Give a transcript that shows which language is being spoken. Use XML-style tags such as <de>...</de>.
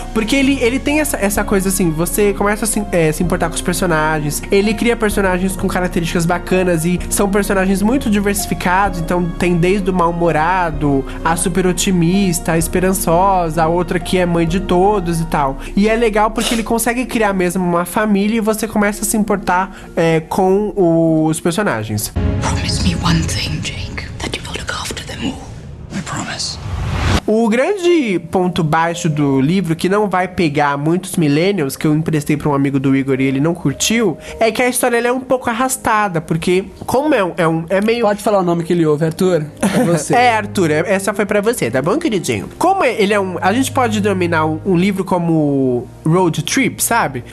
<pt>Porque ele tem essa coisa assim, você começa a se importar com os personagens, ele cria personagens com características bacanas e são personagens muito diversificados, então tem desde o mal-humorado, a super otimista, a esperançosa, a outra que é mãe de todos e tal. E é legal porque ele consegue criar mesmo uma família e você começa a se importar com os personagens.</pt> <en>Promise me one thing, Jake, that you will look after them all. I promise.</en> <pt>O grande ponto baixo do livro, que não vai pegar muitos millennials, que eu emprestei pra um amigo do Igor e ele não curtiu, é que a história é um pouco arrastada, porque como é meio... Pode falar o nome que ele ouve, Arthur? É você. Arthur, essa foi pra você, tá bom, queridinho? Como a gente pode denominar um livro como road trip, sabe?</pt>